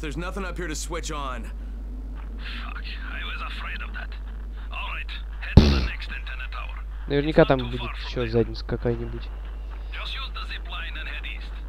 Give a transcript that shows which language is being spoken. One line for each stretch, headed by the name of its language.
English: There's nothing up here to switch on. Fuck, I was afraid of that. All right, head to the next antenna tower.
Russian: Наверняка там будет еще задница какая-нибудь.
English: Just use the zip line and head east.